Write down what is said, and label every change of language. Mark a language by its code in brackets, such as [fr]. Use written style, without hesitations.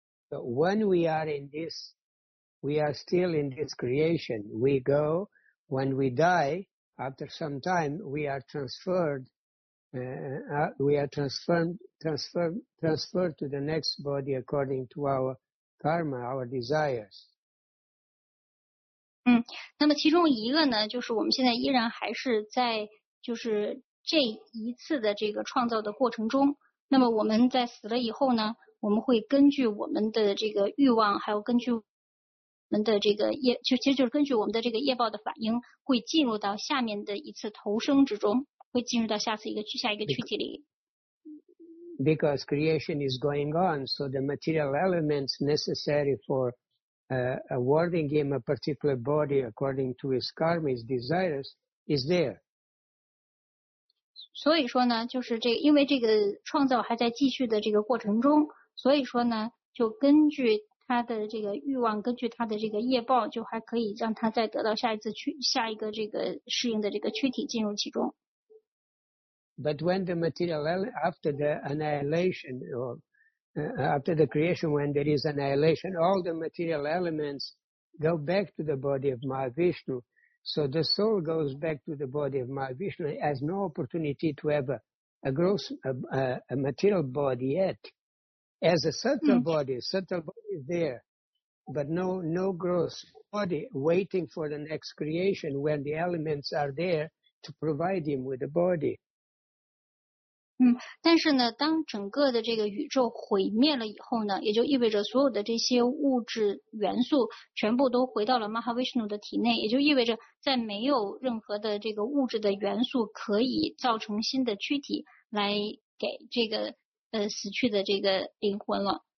[en] So when we are in this, we are still in this creation. We go, when we die, after some time, we are transferred, transferred to the next body according to our karma, our desires. [zh] 那么其中一个呢，就是我们现在依然还是在就是这一次的这个创造的过程中。那么我们在死了以后呢，我们会根据我们的这个欲望，还有根据我们的这个业，其实就是根据我们的这个业报的反应，会进入到下面的一次投生之中，会进入到下一个躯体里。 [en] Because creation is going on, so the material elements necessary for awarding him a particular body according to his karma, his desires, is there. [zh] 所以说呢，就是这个，因为这个创造还在继续的这个过程中，所以说呢，就根据他的这个欲望，根据他的这个业报，就还可以让他再得到下一个这个适应的这个躯体进入其中。 [en] But when the material after the annihilation or after the creation, when there is annihilation, all the material elements go back to the body of Mahavishnu. So the soul goes back to the body of Mahavishnu, has no opportunity to have a gross material body yet. As a subtle body is there, but no gross body waiting for the next creation when the elements are there to provide him with a body. [zh] 但是呢，当整个的这个宇宙毁灭了以后呢，也就意味着所有的这些物质元素全部都回到了 Mahavishnu 的体内，也就意味着在没有任何的这个物质的元素可以造成新的躯体来给这个死去的这个灵魂了。